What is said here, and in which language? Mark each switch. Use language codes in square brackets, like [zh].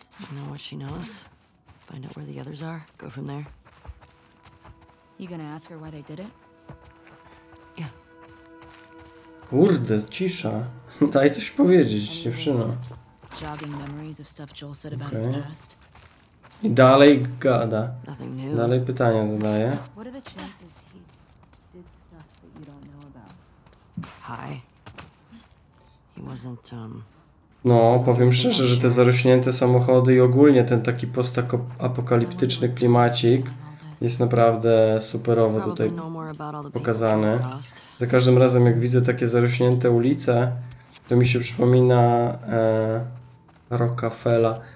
[en] Know what she knows. Find out where the others are. Go from there. You gonna ask her why they did it? [pl] Yeah. Kurde, cisza. Daj coś powiedzieć, dziewczyno. [en] Jogging memories of stuff Joel said about his past. [pl] I dalej gada. Dalej pytania zadaje. [en] What are the chances he did stuff that you don't know about? Hi. He wasn't [pl] No, powiem szczerze, że te zarośnięte samochody i ogólnie ten taki postapokaliptyczny klimacik jest naprawdę superowo tutaj pokazany. Za każdym razem, jak widzę takie zarośnięte ulice, to mi się przypomina Rockefeller.